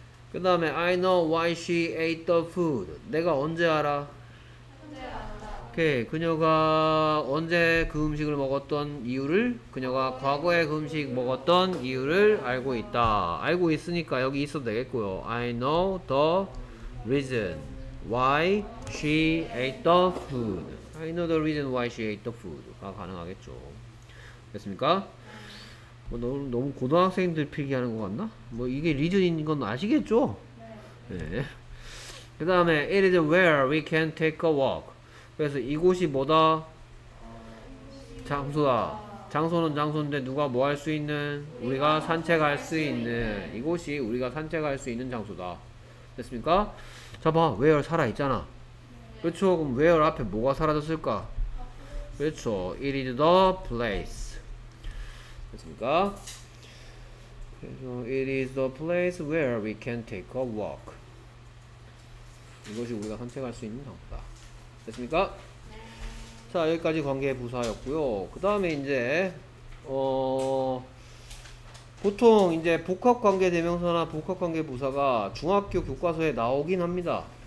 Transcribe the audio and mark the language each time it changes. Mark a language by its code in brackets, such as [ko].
[ko] 그 다음에 [en] I know why she ate the food. [ko] 내가 언제 알아? 언제 알아? 오케이. 그녀가 언제 그 음식을 먹었던 이유를? 그녀가 과거에 그 음식 먹었던 이유를 알고 있다. 알고 있으니까 여기 있어도 되겠고요. [en] I know the reason why she ate the food. I know the reason why she ate the food가 가능하겠죠. [ko] 됐습니까? 뭐 너무 고등학생들 필기하는 것 같나? 뭐 이게 리즌인 건 아시겠죠? 네. 그 다음에 [en] It is where we can take a walk. [ko] 그래서 이곳이 뭐다? 장소다. 장소는 장소인데 누가 뭐 할 수 있는? 우리가 산책할 수 있는 이곳이 우리가 산책할 수 있는 장소다. 됐습니까? 자 봐. where 살아 있잖아. 그렇죠? 그럼 where 앞에 뭐가 사라졌을까? 그렇죠. [en] It is the place. [ko] 됐습니까? 그래서 [en] It is the place where we can take a walk. [ko] 이것이 우리가 산책할 수 있는 장소다. 됐습니까? 네. 자, 여기까지 관계 부사였고요. 그 다음에 이제 보통 이제 복합관계 대명사나 복합관계 부사가 중학교 교과서에 나오긴 합니다.